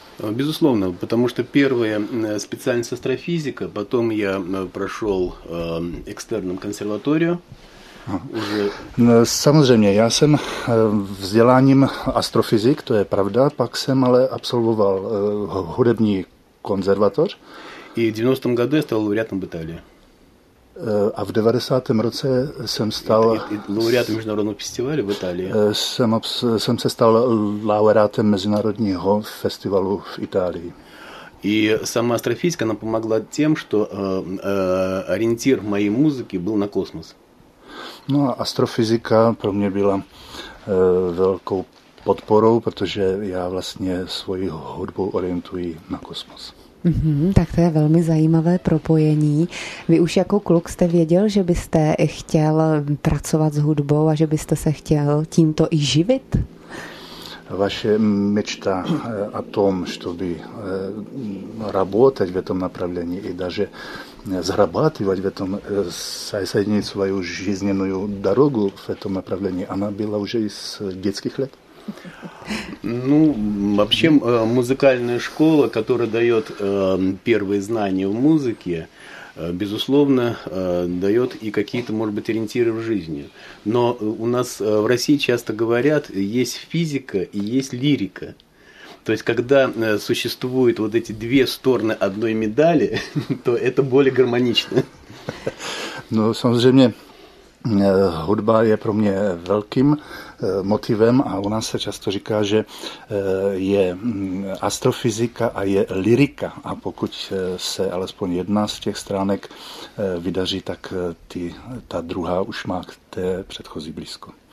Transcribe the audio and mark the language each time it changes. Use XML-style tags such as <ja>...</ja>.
<ru>Безусловно, потому что первая специальность астрофизика, потом я прошел экстерном консерваторию.</ru> <cs>No, samozřejmě, já jsem vzděláním astrofyzik, to je pravda, pak jsem ale absolvoval hudební konzervatoř. I v 90. roce jsem stal laureátem Batalie. A v 90. roce jsem stal... Laureátem Mezinárodního festivalu v Itálii. Jsem se stal laureátem Mezinárodního festivalu v Itálii.</cs> <ru>И сама астрофизика нам помогла тем, что ориентир моей музыки был на космос.</ru> <cs>No a astrofyzika pro mě byla velkou podporou, protože já vlastně svoji hudbu orientuji na kosmos. Mm-hmm, tak to je velmi zajímavé propojení. Vy už jako kluk jste věděl, že byste chtěl pracovat s hudbou a že byste se chtěl tímto i živit? Vaše mečta o tom,</cs> <ru>чтобы работать в этом направлении и даже зарабатывать в этом, соединить свою жизненную дорогу в этом направлении, она была уже из детских лет? Ну, вообще, музыкальная школа, которая дает первые знания в музыке, безусловно, дает и какие-то, может быть, ориентиры в жизни. Но у нас в России часто говорят, есть физика и есть лирика. То есть, когда существуют вот эти две стороны одной медали, то это более гармонично.</ru> <cs>Ну, samozřejmě, hudba je pro mě velkým motivem a u nás se často říká, že je astrofyzika a je lyrika. A pokud se alespoň jedna z těch stránek vydaří, tak ta druhá už má k té předchozí blízko.</cs>